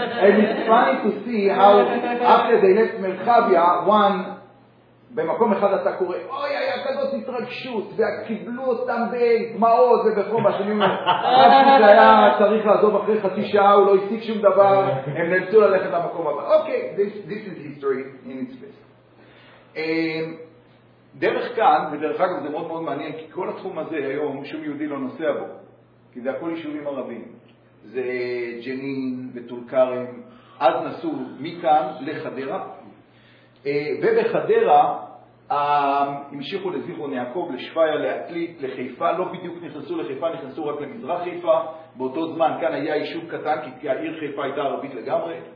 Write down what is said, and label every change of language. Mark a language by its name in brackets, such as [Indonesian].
[English] And it's funny to see how after they left [Hebrew] מרחביה, במקום אחד אתה קורא, אוי, היה כזאת התרגשות, וקיבלו אותם בדמעות ובכל מה שאני אומר, אף שזה היה צריך לעזוב אחרי 5 הוא לא הסיק שום דבר, הם נאלצו ללכת למקום הבא. [English] אוקיי, this is history in its best. [Hebrew] דרך כאן, ודרך אגב זה מאוד מאוד מעניין, כי כל התחום הזה היום שום יהודי לא נוסע בו, כי זה הכל יישובים ערבים. זה ג'נין וטולקרם, אז נסעו מכאן לחדרה, ובחדרה המשיכו לזיכרון יעקב, לשוויה, לעתלית, לחיפה, לא בדיוק נכנסו לחיפה, נכנסו רק למזרח חיפה, באותו זמן כאן היה יישוב קטן, כי העיר חיפה הייתה ערבית לגמרי,